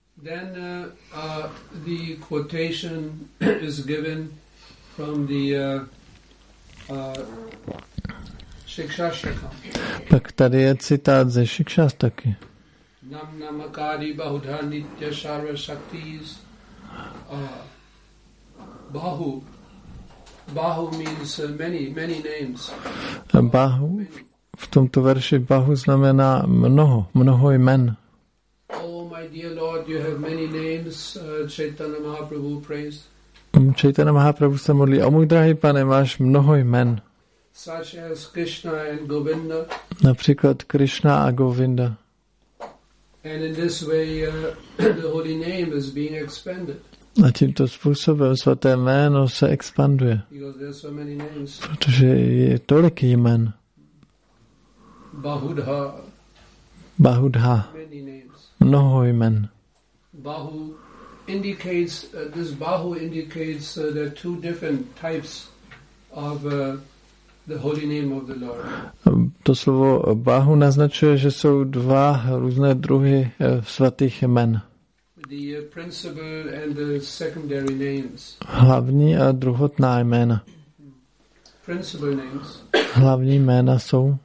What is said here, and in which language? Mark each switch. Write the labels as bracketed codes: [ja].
[en] Then the quotation is given from the Shikshashtaka. [cs] Tak tady je citát ze Shikshashtaky. [sa] Nam namakari bahudha nitya sarva shaktis bahu. [en] Bahu means many names. [cs] Bahu v tomto verši bahu znamená mnoho jmen. [en] my dear Lord, you have many names, Chaitanya Mahaprabhu praised. [cs] Chaitanya Mahaprabhu se modlí, o můj drahý pane, máš mnoho jmen. [en] Such as Krishna and Govinda. [cs] Například Krishna a Govinda. [en] And in this way, the holy name is being expanded. [cs] A tímto způsobem svaté jméno se expanduje. [en] Because there are so many names. [cs] Protože je tolik jmen. [sa] Bahudha. Bahudha. [en] Many names. [cs] Mnoho jmen. [en] Bahu indicates this Bahu indicates there are two different types of the holy name of the Lord. [cs] To slovo Bahu naznačuje, že jsou dva různé druhy svatých jmen. [en] The principal and the secondary names. [cs] Hlavní a druhotná jména. [en] Principal names. [cs] Hlavní jména jsou.